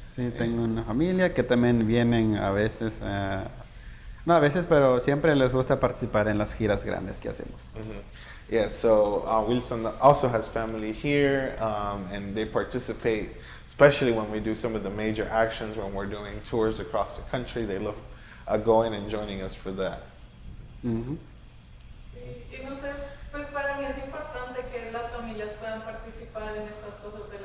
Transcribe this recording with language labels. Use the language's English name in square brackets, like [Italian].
[Spanish] Sí, tengo una familia que también vienen a veces, no a veces, pero siempre les gusta participar en las giras grandes que hacemos. Mm-hmm. [English] Yeah, so Wilson also has family here, and they participate, especially when we do some of the major actions, when we're doing tours across the country, they love going and joining us for that. Mm-hmm. [Spanish] Sí, y no sé, pues para mí es importante que las familias puedan participar en estas cosas.